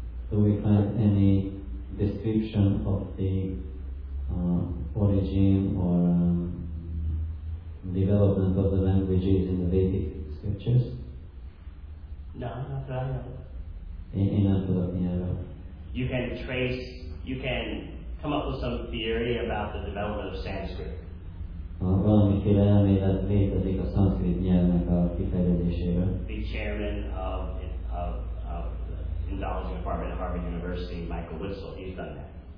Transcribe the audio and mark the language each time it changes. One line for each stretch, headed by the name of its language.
English: Do we have any description of the origin or development of the languages in the Vedic scriptures? No, not that I know. In Antalya. You can trace, you can come up with some theory about the development of Sanskrit.
Hungarian: Valamiféle elmélet létezik a szanszkrit nyelvnek a kifejlődésére.
English: The chairman of the Indology Department of Harvard University, Michael Witzel, he's done that.